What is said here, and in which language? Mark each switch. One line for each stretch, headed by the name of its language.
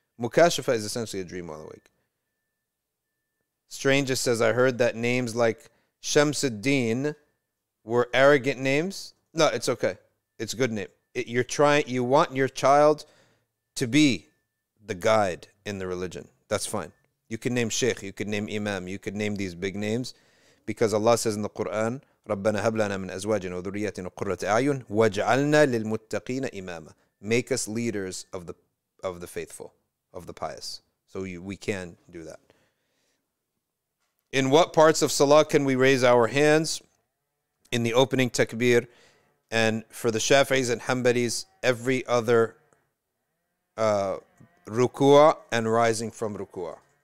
English: Mukashifa is essentially a dream while awake. Strangest says, I heard that names like Shamsuddin were arrogant names. No, it's okay. It's a good name. You want your child to be the guide in the religion. That's fine. You can name Sheikh. You can name Imam. You could name these big names. Because Allah says in the Quran,
Arabic: رَبَّنَا هَبْ لَنَا مِنْ أَزْوَاجِنَا وَذُرِّيَّتِنَا قُرَّةَ أَعْيُنٍ وَاجْعَلْنَا لِلْمُتَّقِينَ إِمَامًا.
English: Make us leaders of the faithful, of the pious. So we can do that. In what parts of Salah can we raise our hands? In the opening takbir. And for the Shafi'is and Hanbalis, every other ruku'a and rising from ruku'a.